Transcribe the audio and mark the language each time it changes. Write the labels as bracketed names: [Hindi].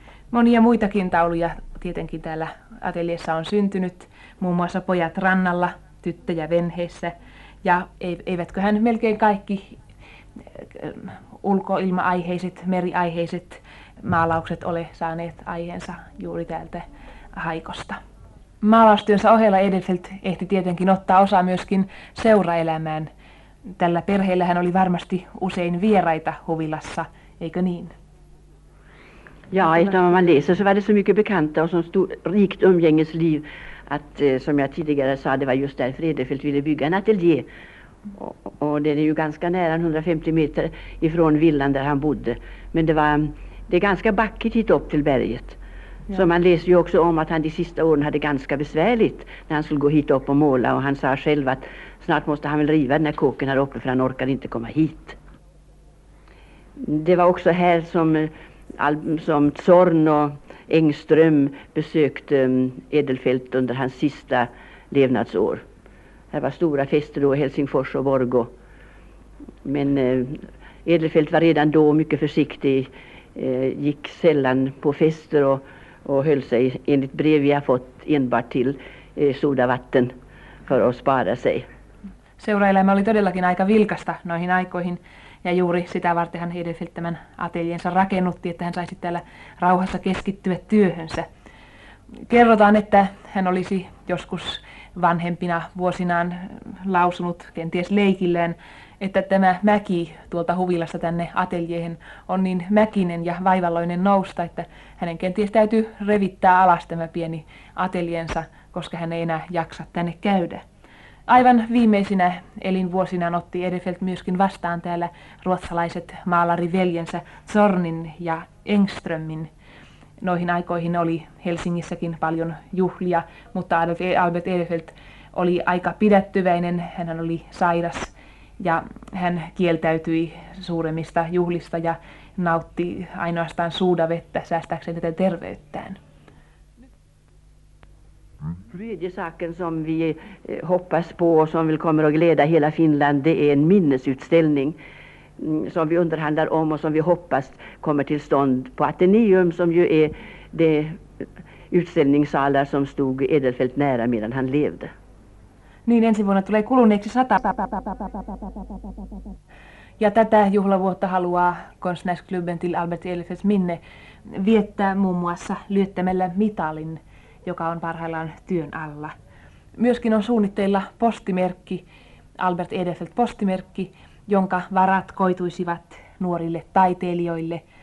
[Finnish] Monia muitakin tauluja tietenkin täällä ateljeessa on syntynyt, muun muassa pojat rannalla, tyttöjä venheissä, ja eivätköhän melkein kaikki ulkoilma-aiheiset, meriaiheiset maalaukset ole saaneet aiheensa juuri täältä Haikosta. Maalaustyönsä ohella Edelfelt ehti tietenkin ottaa osaa myöskin seuraelämään. Tällä perheellä hän oli varmasti usein vieraita huvilassa, eikö niin? [Swedish] Ja, eftersom man läser så var det så mycket bekanta och så stort rikt umgängesliv att, som jag tidigare sa, det var just därför Edelfelt ville bygga en ateljé. Och den är ju ganska nära 150 meter ifrån villan där han bodde. Men det är ganska backigt hit upp till berget. Ja. Så man läser ju också om att han de sista åren hade ganska besvärligt när han skulle gå hit upp och måla. Och han sa själv att snart måste han väl riva den här kåken här uppe för han orkar inte komma hit. Det var också här som Zorn och Engström besökte Edelfelt under hans sista levnadsår. Det var stora fester då i Helsingfors och Borgå. Men Edelfelt var redan då mycket försiktig, gick sällan på fester och höll sig enligt brev vi har fått enbart till sodavatten för att spara sig. [Finnish] Seuraelämä oli todellakin aika vilkasta noihin aikoihin. Ja juuri sitä varten hän Edelfelt tämän ateljeensa rakennutti, että hän saisi täällä rauhassa keskittyä työhönsä. Kerrotaan, että hän olisi joskus vanhempina vuosinaan lausunut kenties leikilleen, että tämä mäki tuolta huvilasta tänne ateljeihin on niin mäkinen ja vaivalloinen nousta, että hänen kenties täytyy revittää alas tämä pieni ateljensa, koska hän ei enää jaksa tänne käydä. Aivan viimeisinä elinvuosinaan otti Edelfelt myöskin vastaan täällä ruotsalaiset maalariveljensä Zornin ja Engströmin. Noihin aikoihin oli Helsingissäkin paljon juhlia, mutta Albert Edelfelt oli aika pidättyväinen, hän oli sairas ja hän kieltäytyi suuremmista juhlista ja nautti ainoastaan suudavettä säästääkseen tätä terveyttään. [Swedish] Tredje saken som vi hoppas på och som vill kommer att glädja hela Finland, det är en minnesutställning som vi underhandlar om och som vi hoppas kommer till stånd på Ateneum, som ju är det utställningssalar som stod Edelfelt nära medan han levde. [Finnish] Niin, ensi vuonna tulee kuluneeksi 100. Ja tätä juhlavuotta haluaa [Swedish] Konstnärsklubben till Albert Edelfelts minne [Finnish] viettää muun muassa lyöttämällä mitalin, joka on parhaillaan työn alla. Myöskin on suunnitteilla postimerkki, Albert Edelfelt-postimerkki, jonka varat koituisivat nuorille taiteilijoille.